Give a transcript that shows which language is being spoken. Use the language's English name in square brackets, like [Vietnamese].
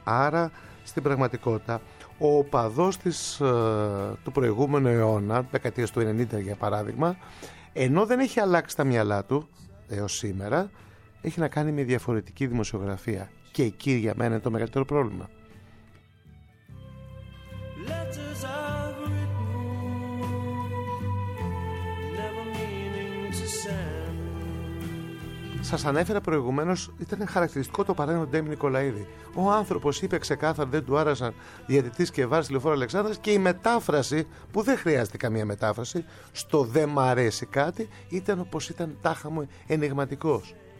[Greek] Άρα, στην πραγματικότητα, ο οπαδός του προηγούμενου αιώνα, δεκαετίας του 90 για παράδειγμα, ενώ δεν έχει αλλάξει τα μυαλά του έως σήμερα, έχει να κάνει με διαφορετική δημοσιογραφία. Και εκεί για μένα είναι το μεγαλύτερο πρόβλημα. [English] Letters I've written, never meaning to send. [Greek] Σας ανέφερα προηγουμένως, ήταν χαρακτηριστικό το παράδειγμα του Ντέμι Νικολαίδη. Ο άνθρωπος είπε ξεκάθαρα δεν του άρεσαν διαιτητής και βάρος Λεωφόρου Αλεξάνδρας, και η μετάφραση, που δεν χρειάζεται καμία μετάφραση, στο «δε μ' αρέσει κάτι», ήταν όπως ήταν τάχα μου ενιγματικός.